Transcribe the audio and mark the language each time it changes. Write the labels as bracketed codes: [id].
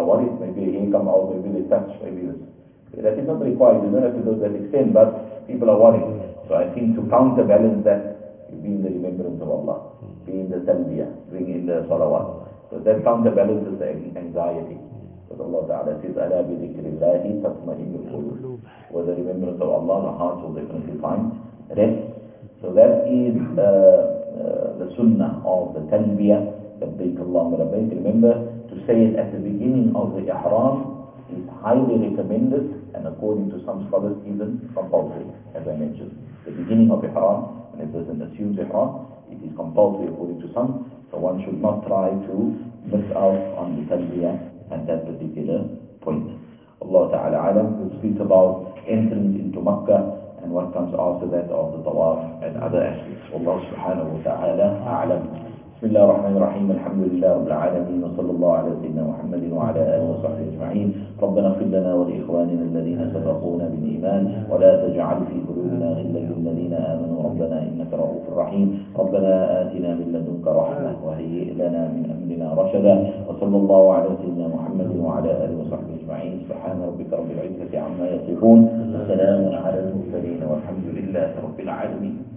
[en] are worried, maybe the income, or maybe the tax, maybe this. That is not required, you don't have to go to that extent, but people are worried. So I think to counterbalance that, be in the remembrance of Allah, be in the talbiyah, bring in the salawat. So that counterbalances the anxiety. Because Allah Ta'ala says, [ar] أَلَا بِذِكْرِ اللَّهِ تَطْمَئِنُّ الْقُلُوبُ. [en] With the remembrance of Allah, the hearts will definitely find rest. So that is the sunnah of the talbiyah, [ar] لَبَّيْكَ اللَّهُمَّ لَبَّيْكَ. [en] Remember, to say it at the beginning of the ihram is highly recommended, and according to some scholars, even compulsory, as I mentioned. The beginning of ihram, when a person assumes ihram, it is compulsory according to some, so one should not try to miss out on the talbiyah at that particular point. Allah Ta'ala alam, will speak about entrance into Makkah and what comes after that of the tawaf and other aspects. [ar] Allah Subhanahu wa Ta'ala alam. بسم الله الرحمن الرحيم الحمد لله رب العالمين وصلى الله على سيدنا محمد وعلى آله وصحبه أجمعين ربنا اغفر لنا ولإخواننا الذين سبقونا بالإيمان ولا تجعل في قلوبنا غلا للذين آمنوا ربنا إنك رؤوف رحيم ربنا آتنا من لدنك رحمة وهيئ لنا من أمرنا رشدا وصلى الله على سيدنا محمد وعلى آله وصحبه أجمعين سبحان ربك رب العزة عما يصفون وسلام على المرسلين والحمد لله رب العالمين.